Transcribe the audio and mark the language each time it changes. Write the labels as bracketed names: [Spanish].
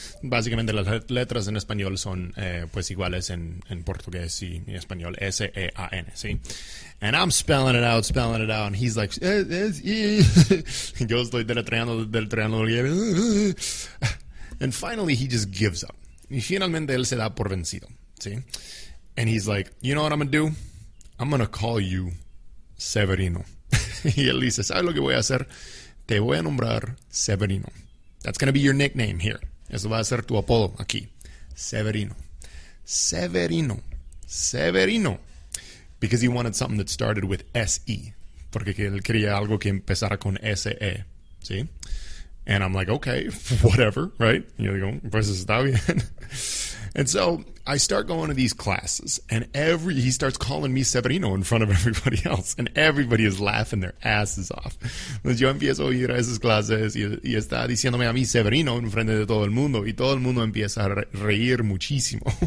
[Spanish] Básicamente las letras en español son pues iguales en portugués y en español. S-E-A-N, ¿sí? [English] And I'm spelling it out, and he's like, yo estoy deletreando, deletreando. And finally, he just gives up. [Spanish] Y finalmente él se da por vencido, ¿sí? [English] And he's like, you know what I'm going to do? I'm going to call you Severino. [Spanish] Y él dice, ¿sabes lo que voy a hacer? Te voy a nombrar Severino. That's going to be your nickname here. Eso va a ser tu apodo aquí. Severino. Severino. Severino. [English] Because he wanted something that started with S-E. [Spanish] Porque él quería algo que empezara con S-E. [English] ¿Sí? And I'm like, okay, whatever, right? You go, pues está bien. And so I start going to these classes, and he starts calling me Severino in front of everybody else, and everybody is laughing their asses off. [Spanish] Entonces yo empiezo a ir a esas clases y está diciéndome a mí Severino en frente de todo el mundo, y todo el mundo empieza a reír muchísimo.